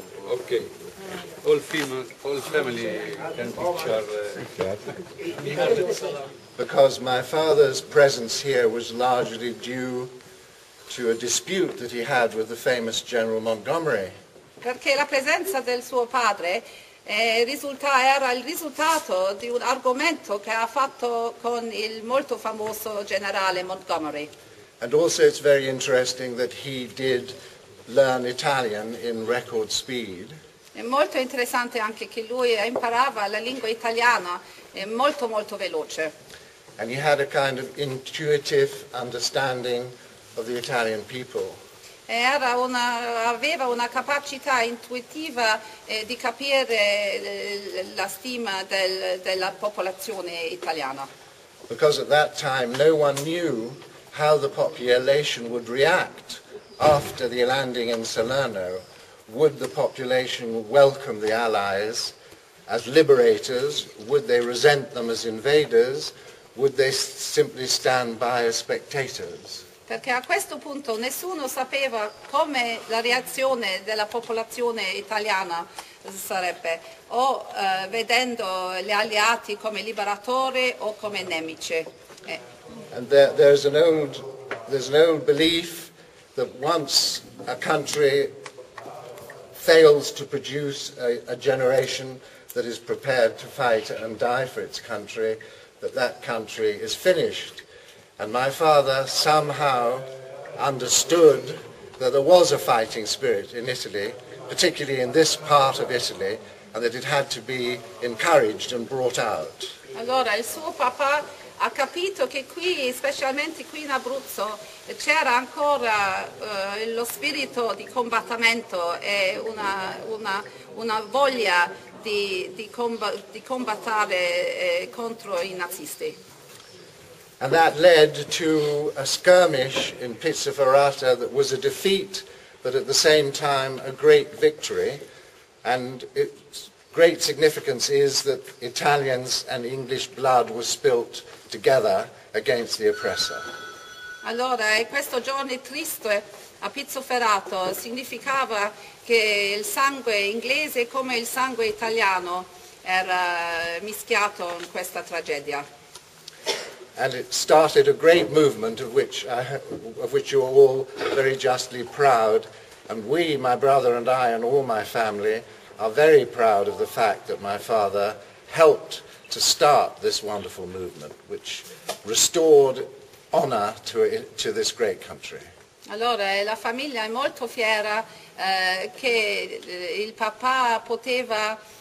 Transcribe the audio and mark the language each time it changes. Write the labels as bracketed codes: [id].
[en] Okay, all family can picture because my father's presence here was largely due to a dispute that he had with the famous General Montgomery. [it] Perché la presenza del suo padre era il risultato di un argomento che ha fatto con il molto famoso generale Montgomery. [en] And also it's very interesting that he did learn Italian in record speed. [it] È molto interessante anche che lui imparava la lingua italiana molto molto veloce. [en] And he had a kind of intuitive understanding of the Italian people. [it] Aveva una capacità intuitiva di capire la stima della popolazione italiana. [en] Because at that time no one knew how the population would react after the landing in Salerno. Would the population welcome the Allies as liberators? Would they resent them as invaders? Would they simply stand by as spectators? [it] Perché a questo punto nessuno sapeva come la reazione della popolazione italiana sarebbe, o vedendo gli alleati come liberatori o come nemici. [en] And there's an old belief that once a country fails to produce a generation that is prepared to fight and die for its country, that country is finished. And my father somehow understood that there was a fighting spirit in Italy, particularly in this part of Italy, and that it had to be encouraged and brought out. [it] Allora, il suo papà ha capito che qui, specialmente qui in Abruzzo, c'era ancora lo spirito di combattimento e una voglia di combattere contro i nazisti. [en] And that led to a skirmish in Pizzaferrata that was a defeat, but at the same time a great victory. And its great significance is that Italians and English blood was spilt together against the oppressor. [it] Allora, questo giorno triste a Pizzaferrata significava che il sangue inglese come il sangue italiano era mischiato in questa tragedia. [en] And it started a great movement of which you are all very justly proud. And we, my brother and I and all my family, are very proud of the fact that my father helped to start this wonderful movement, which restored honor to this great country. [it] Allora, la famiglia è molto fiera che il papà poteva